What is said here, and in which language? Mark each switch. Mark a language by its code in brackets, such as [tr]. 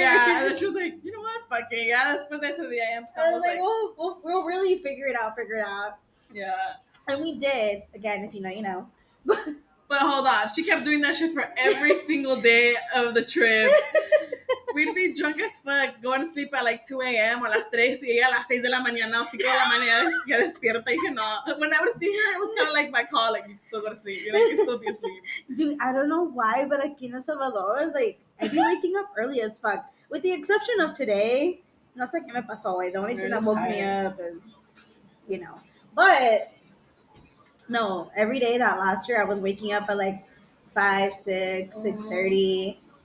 [en] Yeah, and then she was like, you know what? Fucking, yeah, that's what they said. I was like, we'll really figure it out. Yeah. And we did. Again, if you know, you know. But hold on. She kept doing that shit for every single day of the trip. We'd be drunk as fuck, going to sleep at like 2 a.m. [es] or las 3, y ella a las 6 de la mañana, 5 de la mañana, ya despierta, y que no. [en] When I would see her, it was kind of like my call, like, you still go to sleep, you're like, you still be asleep. Dude, I don't know why, but [es] aquí en El Salvador, [en] like, I'd be waking up early as fuck. With the exception of today, [es] no sé qué me pasó hoy, [en] the only thing that woke me up is, you know. But, no, every day that last year, I was waking up at like 5, 6, 6:30.